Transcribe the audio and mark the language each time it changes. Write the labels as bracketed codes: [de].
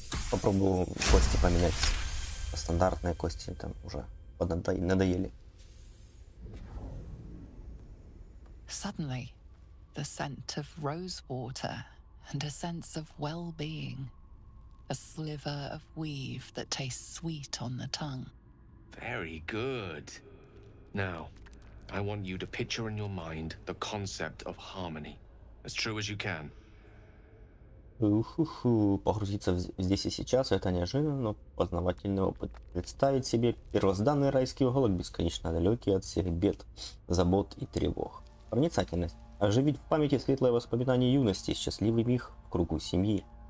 [ru] Попробую кости поменять. Стандартные кости там уже надоели. [en] Suddenly, the scent of rose water and a sense of well-being. A sliver of weave that tastes sweet on the tongue. Very good. Now, I want you to picture in your mind the concept of harmony, as true as you can. [ru] Уху-ху, погрузиться здесь и сейчас, это неожиданно, познавательный опыт. Представить себе первозданный райский уголок, бесконечно далекий от всех бед, забот и тревог. Проницательность. Оживить в памяти светлое воспоминание юности, счастливый миг в кругу семьи.